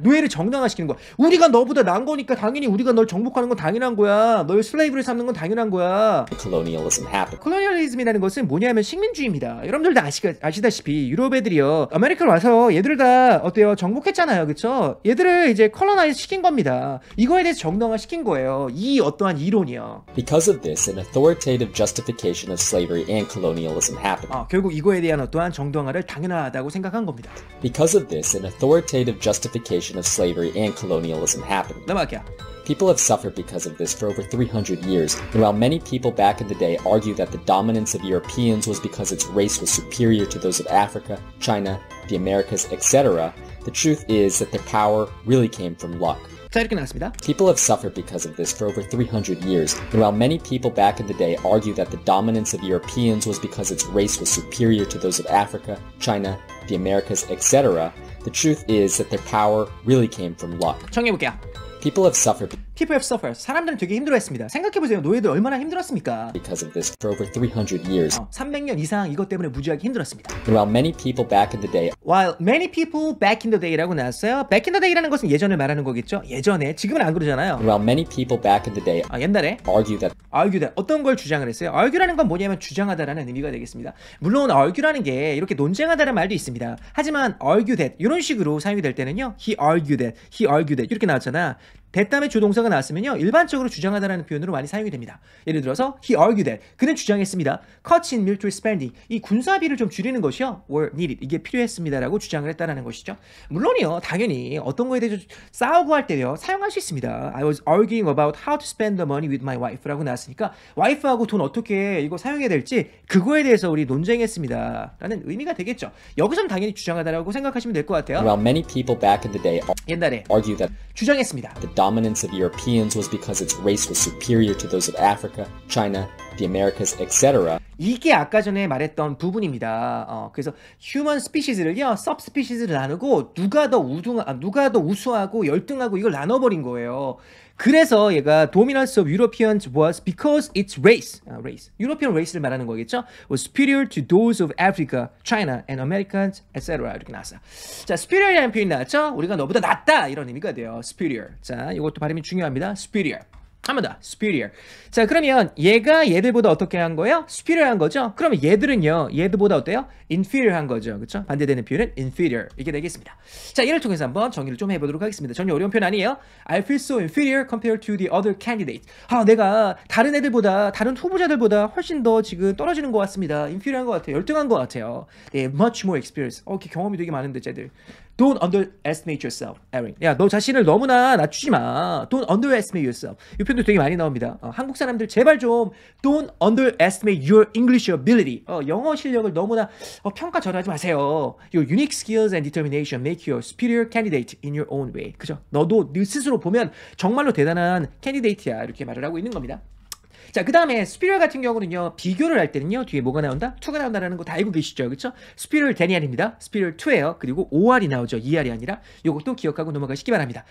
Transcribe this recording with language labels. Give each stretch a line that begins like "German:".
Korean: 노예를 정당화시키는 거. 우리가 너보다 나은 거니까 당연히 우리가 널 정복하는 건 당연한 거야. 널 슬레이브를 삼는 건 당연한 거야.
English: Colonialism happened.
Korean: Colonialism이라는 것은 뭐냐면 식민주의입니다. 여러분들도 아시다시피 유럽 애들이요. 아메리카로 와서 얘들을 다 어때요? 정복했잖아요. 그렇죠? 얘들을 이제 colonize 시킨 겁니다. 이거에 대해서 정당화 시킨 거예요. 이 어떠한 이론이요.
English: Because of this, an authoritative justification of slavery and colonialism happened.
Korean: 결국 이거에 대한 어떠한 정당화를 당연하다고 생각한 겁니다.
English: Because of this, an authoritative justification of slavery and colonialism happened.
Korean: 넘어갈게요.
English: People have suffered because of this for over 300 years. And while many people back in the day argue that the dominance of Europeans was because its race was superior to those of Africa, China, the Americas, etc., the truth is that their power really came from luck.
Korean: 자, 이렇게 나왔습니다.
English: People have suffered because of this for over 300 years. And while many people back in the day argue that the dominance of Europeans was because its race was superior to those of Africa, China, the Americas, etc., the truth is that their power really came from luck.
Korean: 정해볼게요.
English: People have suffered. People have suffered.
Korean: 사람들은 되게 힘들어했습니다. 생각해보세요. 노예들 얼마나 힘들었습니까?
English: Because of this for over 300 years.
Korean: 300년 이상 이것 때문에 무지하게 힘들었습니다.
English: And while many people back in the day. While many people back in the day라고 나왔어요.
Korean: Back in the day라는 것은 예전을 말하는 거겠죠? 예전에. 지금은 안 그러잖아요.
English: And while many people back in the day.
Korean: 옛날에.
English: Argue that.
Korean: 어떤 걸 주장을 했어요? Argue라는 건 뭐냐면 주장하다라는 의미가 되겠습니다. 물론 argue라는 게 이렇게 논쟁하다라는 말도 있습니다. 하지만 argue that 이런 식으로 사용이 될 때는요.
English: He argued that.
Korean: 이렇게 나왔잖아. 대담의 조동사가 나왔으면요. 일반적으로 주장하다라는 표현으로 많이 사용이 됩니다. 예를 들어서
English: he argued that.
Korean: 그는 주장했습니다.
English: Cuts in military spending.
Korean: 이 군사비를 좀 줄이는 것이요.
English: were needed.
Korean: 이게 필요했습니다라고 주장을 했다라는 것이죠. 물론이요. 당연히 어떤 거에 대해서 싸우고 할 때요. 사용할 수 있습니다.
English: I was arguing about how to spend the money with my wife
Korean: 라고 나왔으니까 와이프하고 돈 어떻게 이거 사용해야 될지 그거에 대해서 우리 논쟁했습니다라는 의미가 되겠죠. 여기서는 당연히 주장하다라고 생각하시면 될 것 같아요.
English: Well, many people back in the day
Korean: 옛날에
English: argued that
Korean: 주장했습니다.
English: Dominance of Europeans was because its race was superior to those of Africa, China, the Americas, etc.
Korean: 이게 아까 전에 말했던 부분입니다. 그래서 human species를요, subspecies를 나누고 누가 더 우수하고 열등하고 이걸 나눠버린 거예요. 그래서 얘가
English: dominance of Europeans was because its race,
Korean: European race를 말하는 거겠죠?
English: was superior to those of Africa, China, and Americans, etc.
Korean: 이렇게 나왔어요. 자, superior이라는 표현이 나왔죠? 우리가 너보다 낫다! 이런 의미가 돼요. superior. 자, 이것도 발음이 중요합니다. superior. 한 번 더. superior. 자, 그러면 얘가 얘들보다 어떻게 한 거예요? superior 한 거죠? 그러면 얘들은요, 얘들보다 어때요? inferior 한 거죠. 그쵸? 반대되는 표현은 inferior. 이게 되겠습니다. 자, 이를 통해서 한번 정리를 좀 해보도록 하겠습니다. 전혀 어려운 표현 아니에요.
English: I feel so inferior compared to the other candidates.
Korean: 아, 내가 다른 애들보다, 다른 후보자들보다 훨씬 더 지금 떨어지는 것 같습니다. inferior 한 것 같아요. 열등한 것 같아요. 네,
English: much more experience.
Korean: 경험이 되게 많은데, 쟤들.
English: Don't underestimate yourself, Erin.
Korean: 야, 너 자신을 너무나 낮추지 마.
English: Don't underestimate yourself.
Korean: 이 표현도 되게 많이 나옵니다. 한국 사람들 제발 좀
English: Don't underestimate your English ability.
Korean: 영어 실력을 너무나 평가절하하지 마세요.
English: Your unique skills and determination make you a superior candidate in your own way.
Korean: 그죠? 너도 너 스스로 보면 정말로 대단한 캔디데이트야. 이렇게 말을 하고 있는 겁니다. 자, 그 다음에 superior 같은 경우는요, 비교를 할 때는요, 뒤에 뭐가 나온다? 2가 나온다라는 거 다 알고 계시죠? 그쵸? superior 대니알입니다. superior 2에요. 그리고 5R이 나오죠. ER이 아니라. 이것도 기억하고 넘어가시기 바랍니다.